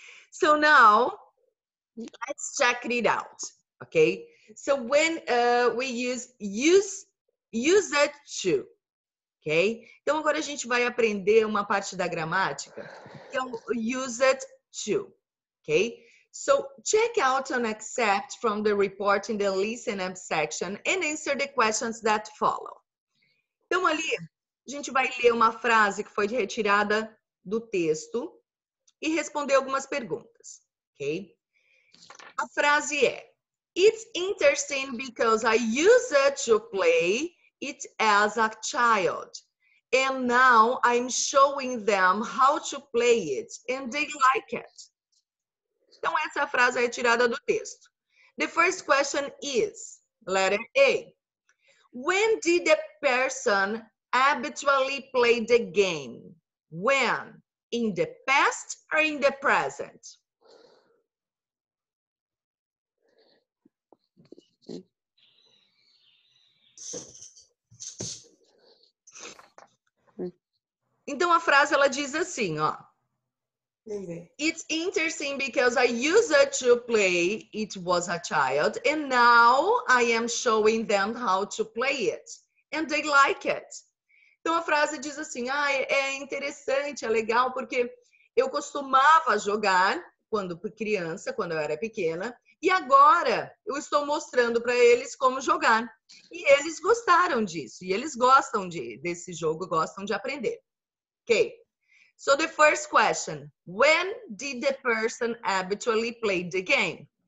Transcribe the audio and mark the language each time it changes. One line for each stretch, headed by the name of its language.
English: So now let's check it out. Okay, so when we use it to.
Portuguese: Okay, então agora a gente vai aprender uma parte da gramática que é o use it to.
English: Okay, so check out and accept from the report in the listen up section and answer the questions that follow.
Portuguese: Então ali. A gente vai ler uma frase que foi retirada do texto e responder algumas perguntas, ok? A frase é:
English: It's interesting because I used to play it as a child. And now I'm showing them how to play it and they like it.
Portuguese: Então, essa frase é retirada do texto.
English: The first question is: Letter A. When did the person habitually play the game? When? In the past or in the present?
Portuguese: Então, a frase, ela diz assim, ó.
English: It's interesting because I used it to play it was a child and now I am showing them how to play it and they like it.
Portuguese: Então, a frase diz assim, ah, é interessante, é legal, porque eu costumava jogar quando criança, quando eu era pequena, e agora eu estou mostrando para eles como jogar. E eles gostaram disso, e eles gostam desse jogo, gostam de aprender.
English: Ok. So, the first question. When did the person habitually play the game?